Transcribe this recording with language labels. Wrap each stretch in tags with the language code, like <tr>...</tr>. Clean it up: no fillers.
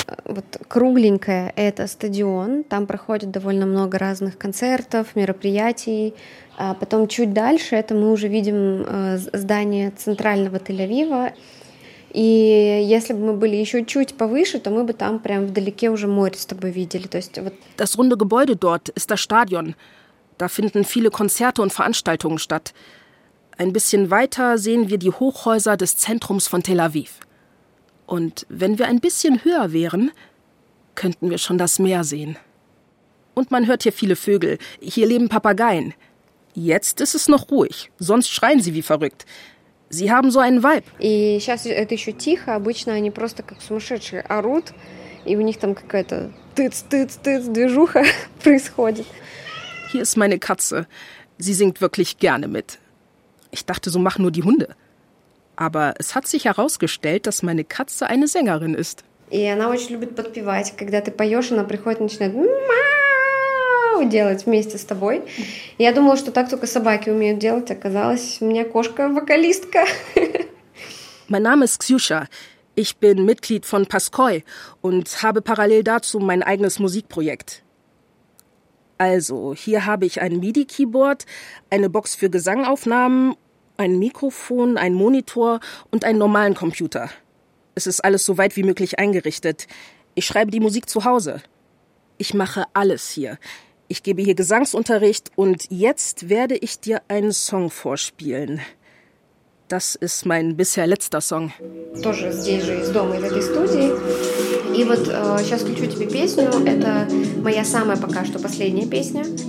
<ru>Вот кругленькое это стадион, там проходит довольно много разных концертов, мероприятий. А потом чуть дальше это мы уже видим здание центрального Тель-Авива. И если бы мы были еще чуть повыше, то мы бы там прям вдалеке уже море с тобой видели. То есть вот.</ru> <de>Das runde Gebäude dort ist das Stadion. Da finden viele Konzerte und Veranstaltungen statt. Ein bisschen weiter sehen wir die Hochhäuser des Zentrums von Tel Aviv. Und wenn wir ein bisschen höher wären, könnten wir schon das Meer sehen. Und man hört hier viele Vögel. Hier leben Papageien. Jetzt ist es noch ruhig. Sonst schreien sie wie verrückt. Sie haben so einen Vibe.</de> <ru>И сейчас это еще тихо. Обычно они просто как сумасшедшие орут. И у них там какая-то тыц-тыц-тыц движуха происходит.</ru> <de>Hier ist meine Katze. Sie singt wirklich gerne mit. Ich dachte, so machen nur die Hunde. Aber es hat sich herausgestellt, dass meine Katze eine Sängerin ist.</de> <ru>И она очень любит подпевать. Когда ты поешь, она приходит и начинает мяу делать вместе с тобой. Я думала, что так только собаки умеют делать. Оказалось, у меня кошка вокалистка.</ru> <de>Mein Name ist Ksyusha. Ich bin Mitglied von Paskoi und habe parallel dazu mein eigenes Musikprojekt. Also, hier habe ich ein MIDI-Keyboard, eine Box für Gesangaufnahmen, ein Mikrofon, ein Monitor und einen normalen Computer. Es ist alles so weit wie möglich eingerichtet. Ich schreibe die Musik zu Hause. Ich mache alles hier. Ich gebe hier Gesangsunterricht und jetzt werde ich dir einen Song vorspielen. Das ist mein bisher letzter Song.</de> <ru>Тоже здесь же из дома, из этой студии. И вот сейчас включу тебе песню. Это моя самая пока что последняя песня.</ru>